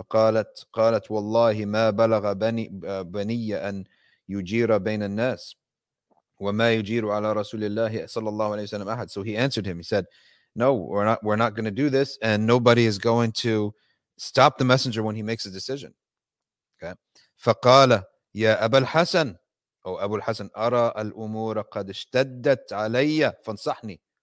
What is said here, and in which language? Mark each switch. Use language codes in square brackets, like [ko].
[ar] فقالت قالت والله ما بلغ بني بني أن يجير بين الناس وما يجير على رسول الله صلى الله عليه وسلم أحد. [en] So he answered him. He said, "No, we're not going to do this, and nobody is going to stop the messenger when he makes a decision." Okay. [ar] فقال يا أبا الحسن أو أبو الحسن أرى الأمور قد اشتدت علي فانصحني.